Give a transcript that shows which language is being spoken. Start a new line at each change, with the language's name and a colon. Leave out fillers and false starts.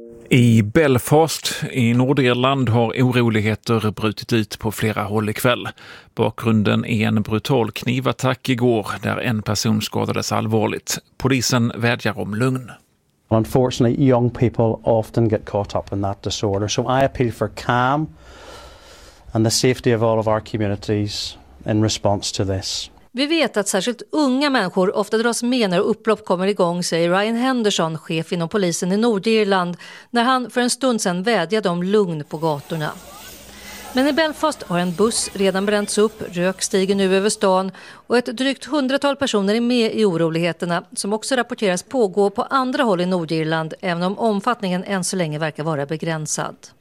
Swedish: I Belfast i Nordirland har oroligheter brutit ut på flera håll ikväll. Bakgrunden är en brutal knivattack igår där en person skadades allvarligt. Polisen vädjar om lugn.
English: Unfortunately, young people often get caught up in that disorder. So I appeal for calm and the safety of all of our communities in response to this.
Swedish: Vi vet att särskilt unga människor ofta dras med när upplopp kommer igång, säger Ryan Henderson, chef inom polisen i Nordirland, när han för en stund sedan vädjade om lugn på gatorna. Men i Belfast har en buss redan bränts upp, rök stiger nu över stan och ett drygt 100-tal personer är med i oroligheterna som också rapporteras pågå på andra håll i Nordirland, även om omfattningen än så länge verkar vara begränsad.